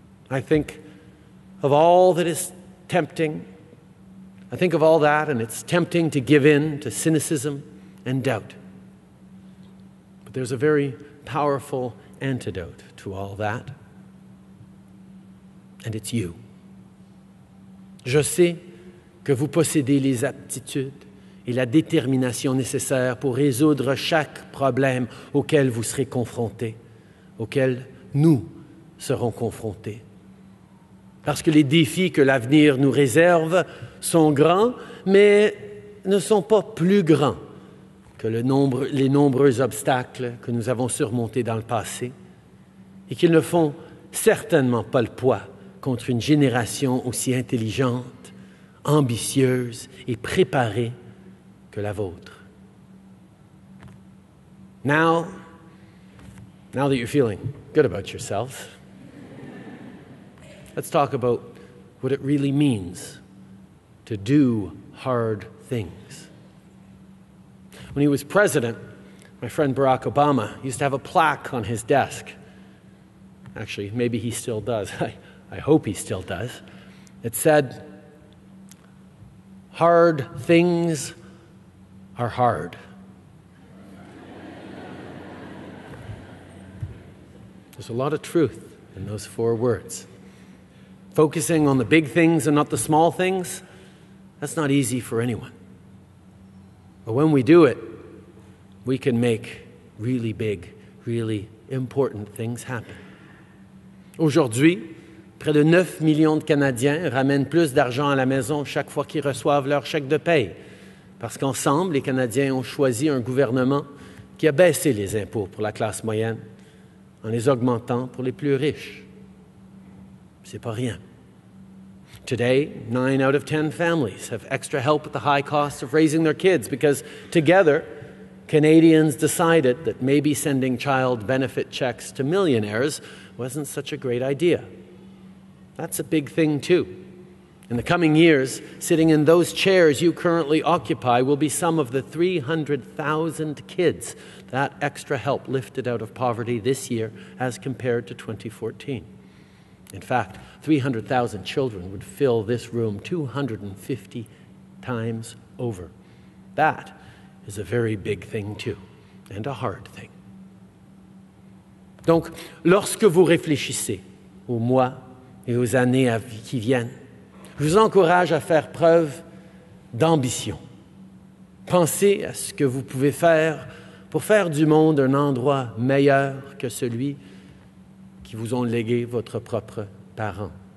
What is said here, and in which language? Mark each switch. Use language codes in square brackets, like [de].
[en] I think of all that is tempting. I think of all that, and it's tempting to give in to cynicism and doubt. But there's a very powerful antidote to all that, and it's you. [fr] Je sais que vous possédez les aptitudes et la détermination nécessaires pour résoudre chaque problème auquel vous serez confronté, auquel nous serons confrontés. Parce que les défis que l'avenir nous réserve sont grands, mais ne sont pas plus grands que les nombreux obstacles que nous avons surmontés dans le passé et qu'ils ne font certainement pas le poids contre une génération aussi intelligente, ambitieuse et préparée que la vôtre. [en] Now that you're feeling good about yourself, let's talk about what it really means to do hard things. When he was president, my friend Barack Obama used to have a plaque on his desk. Actually, maybe he still does. I hope he still does. It said, "Hard things are hard." There's a lot of truth in those four words. Focusing on the big things and not the small things, that's not easy for anyone. But when we do it, we can make really big, really important things happen. [fr] Aujourd'hui, près de 9 millions de Canadiens ramènent plus d'argent à la maison chaque fois qu'ils reçoivent leur chèque de paye. Parce qu'ensemble, les Canadiens ont choisi un gouvernement qui a baissé les impôts pour la classe moyenne en les augmentant pour les plus riches. C'est pas rien. [en] Today, 9 out of 10 families have extra help with the high cost of raising their kids because together, Canadians decided that maybe sending child benefit checks to millionaires wasn't such a great idea. That's a big thing, too. In the coming years, sitting in those chairs you currently occupy will be some of the 300,000 kids that extra help lifted out of poverty this year as compared to 2014. In fact, 300,000 children would fill this room 250 times over. That is a very big thing, too, and a hard thing. [fr] Donc, lorsque vous réfléchissez au mois et aux années qui viennent, je vous encourage à faire preuve d'ambition. Pensez à ce que vous pouvez faire pour faire du monde un endroit meilleur que celui qui vous ont légué votre propre parent.